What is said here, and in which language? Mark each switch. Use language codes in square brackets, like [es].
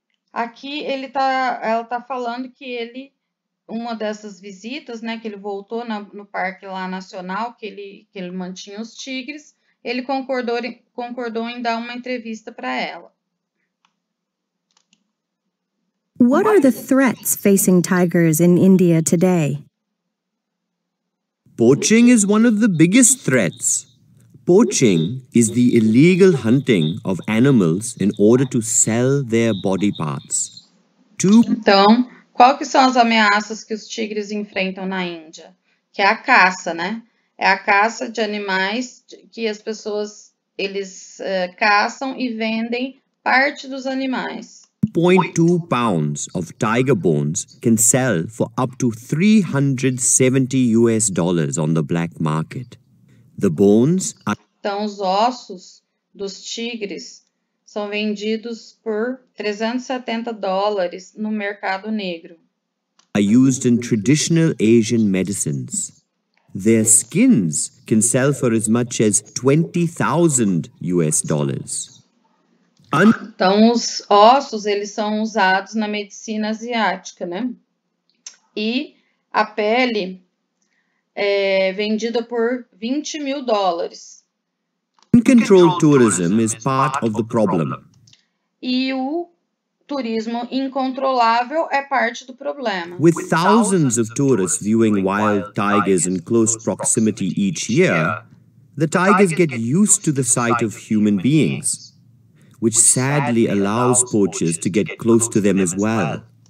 [pt] Aqui, ela está falando que ele... Uma dessas visitas, né, que ele voltou no parque lá nacional, que ele mantinha os tigres, ele concordou em dar uma entrevista para ela. [en] What are the threats facing tigers in India today? Poaching is one of the biggest threats. Poaching is the illegal hunting of animals in order to sell their body parts. [pt] Então, qual que são as ameaças que os tigres enfrentam na Índia? Que é a caça, né? É a caça de animais que as pessoas, eles caçam e vendem parte dos animais. [en] 2.2 pounds of tiger bones can sell for up to $370 on the black market. The bones are... [pt] Então, os ossos dos tigres são vendidos por $370 no mercado negro. [en] Are used in traditional Asian medicines. Their skins can sell for as much as $20,000. [pt] Então, os ossos, eles são usados na medicina asiática, né? E a pele é vendida por $20,000. [en] Uncontrolled tourism is part of the problem. [pt] E o turismo incontrolável é parte do problema. [en] With thousands of tourists viewing wild tigers in close proximity each year, the tigers get used to the sight of human beings, which sadly allows poachers to get close to them as well.